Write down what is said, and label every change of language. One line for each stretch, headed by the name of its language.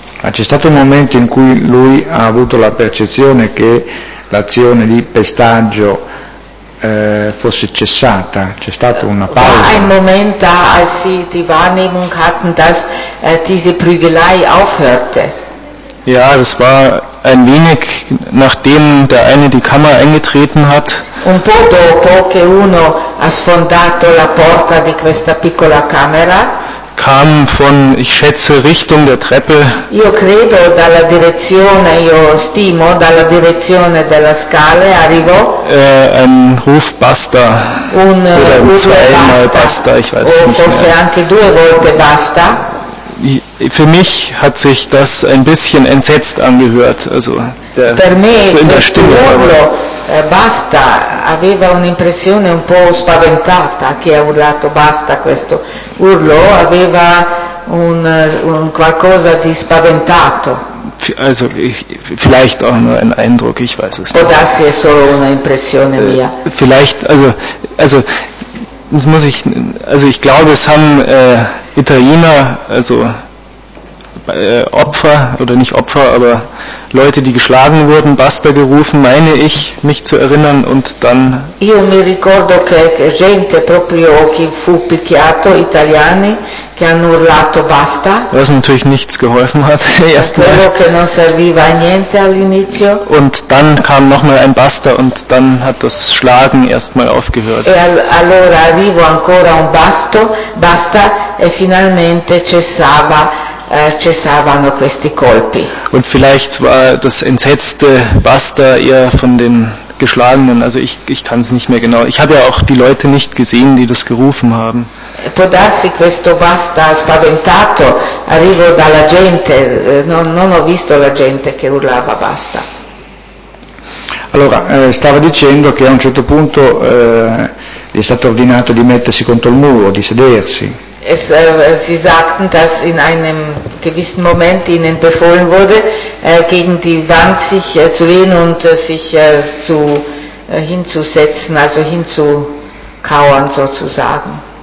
Italian: c'è stato un momento in cui lui ha avuto la percezione che l'azione di pestaggio fosse cessata, c'è stata una pausa.
German: War ein Moment da, als sie die Wahrnehmung hatten, dass diese Prügelei aufhörte. Ja, das war ein wenig nachdem der eine die Kammer eingetreten hat.
Italian: Un po' dopo che uno ha sfondato la porta di questa piccola camera.
German: Kam von, ich schätze, Richtung der Treppe.
Italian: Io credo dalla direzione, io stimo dalla direzione della scale arrivò.
German: Ein Ruf Basta. Oder zweimal Basta, ich weiß nicht. Oder
Italian: forse anche due volte Basta.
German: Für mich hat sich das ein bisschen entsetzt angehört, also
Italian: per me
German: so in der Stimme.
Italian: Basta aveva un'impressione un po' spaventata, che ha urlato basta, questo urlo aveva un qualcosa di spaventato.
German: Also vielleicht auch nur ein Eindruck, ich weiß es nicht.
Italian: Può darsi è solo un'impressione mia.
German: Vielleicht, also das muss ich, also ich glaube, es haben Italiener, also Opfer oder nicht Opfer, aber Leute, die geschlagen wurden, basta gerufen, meine ich, mich zu erinnern, und dann.
Italian: Io mi ricordo che gente proprio chi fu picchiato, italiani, che hanno urlato basta.
German: Was natürlich nichts geholfen hat, erstmal.
Italian: Credo che non serviva niente all'inizio.
German: Und dann kam nochmal ein basta, und dann hat das Schlagen erstmal aufgehört.
Italian: E allora arrivo ancora un basta, e finalmente cessava. Cessavano questi colpi.
German: Und vielleicht war das entsetzte Basta eher von den Geschlagenen, also ich kann es nicht mehr genau. Ich habe ja auch die Leute nicht gesehen, die das gerufen haben.
Italian: Può darsi questo Basta spaventato arrivo dalla gente, non ho visto la gente che urlava Basta. Allora, stava dicendo che a un certo punto gli è stato ordinato di mettersi contro il muro, di sedersi.
German: Sie sagten, dass in einem gewissen Moment ihnen befohlen wurde, gegen die Wand sich zu lehnen und sich hinzusetzen, also hinzukauern sozusagen.